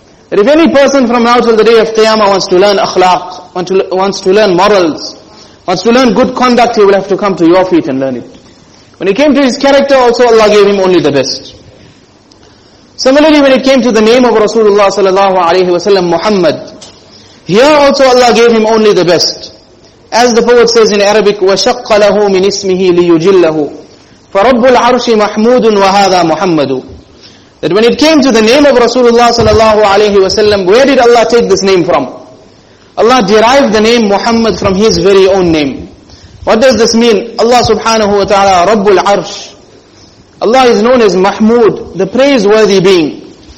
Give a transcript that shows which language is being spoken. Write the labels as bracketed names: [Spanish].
[English] That if any person from now till the day of Qiyamah wants to learn akhlaq, wants to learn morals, wants to learn good conduct, he will have to come to your feet and learn it. When it came to his character also, Allah gave him only the best. Similarly, when it came to the name of Rasulullah sallallahu alayhi wa sallam, Muhammad, here also Allah gave him only the best. As the poet says in Arabic, [Arabic] وَشَقَّ لَهُ مِنْ إِسْمِهِ لِيُجِلَّهُ فَرَبُّ الْعَرْشِ مَحْمُودٌ وَهَذَا مُحَمَّدٌ. [English] That when it came to the name of Rasulullah sallallahu alayhi wa sallam, where did Allah take this name from? Allah derived the name Muhammad from his very own name. What does this mean? Allah subhanahu wa ta'ala, Rabbul Arsh. Allah is known as Mahmud, the praiseworthy being.